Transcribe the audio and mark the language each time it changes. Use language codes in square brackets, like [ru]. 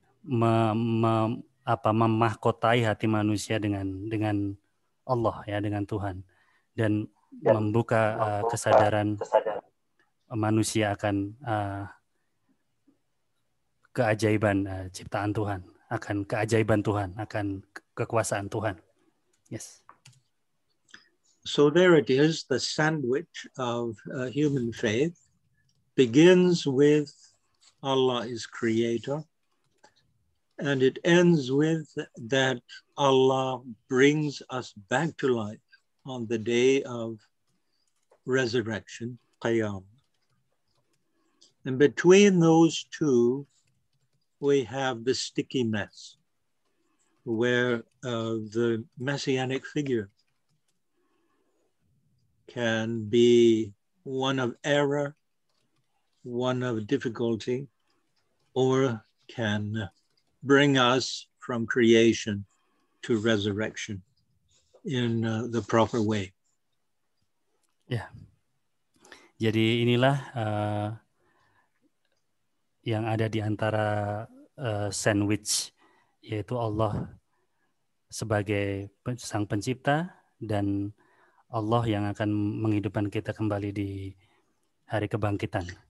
[id] memahkotai hati manusia dengan Allah, ya, dengan Tuhan, dan membuka kesadaran manusia akan keajaiban ciptaan Tuhan, akan keajaiban Tuhan, akan kekuasaan Tuhan. [en] Yes. So there it is, the sandwich of human faith begins with Allah is creator, and it ends with that Allah brings us back to life on the day of resurrection, Qiyam. And between those two, we have the sticky mess where the messianic figure can be one of error, one of difficulty, or can bring us from creation to resurrection in the proper way. Yeah. [id] Jadi inilah yang ada di antara sandwich, yaitu Allah sebagai sang pencipta dan Allah yang akan menghidupkan kita kembali di hari kebangkitan.